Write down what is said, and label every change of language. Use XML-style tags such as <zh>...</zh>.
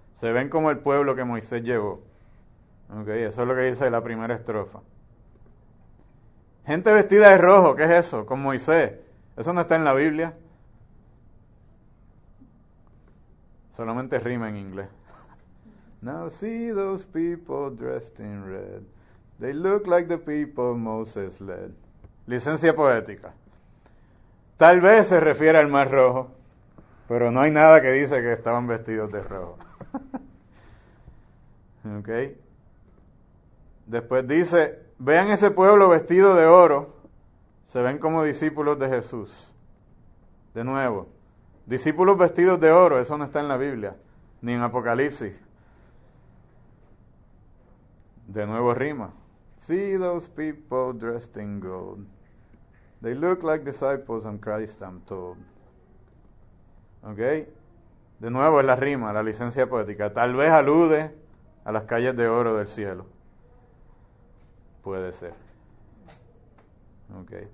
<es>Se ven como el pueblo que Moisés llevó. Okay, eso es lo que dice la primera estrofa. Gente vestida de rojo, ¿qué es eso? Con Moisés. Eso no está en la Biblia. Solamente rima en inglés.</es> <en>Now see those people dressed in red. They look like the people Moses led.</en> <es>Licencia poética. Tal vez se refiere al mar rojo. Pero no hay nada que dice que estaban vestidos de rojo. ¿Ok? Después dice, vean ese pueblo vestido de oro. Se ven como discípulos de Jesús. De nuevo, discípulos vestidos de oro, eso no está en la Biblia, ni en Apocalipsis. De nuevo rima.</es> <en>See those people dressed in gold. They look like disciples on Christ, I'm told.</en> <es>¿Ok? De nuevo es la rima, la licencia poética. Tal vez alude a las calles de oro del cielo. Puede ser. ¿Ok?</es>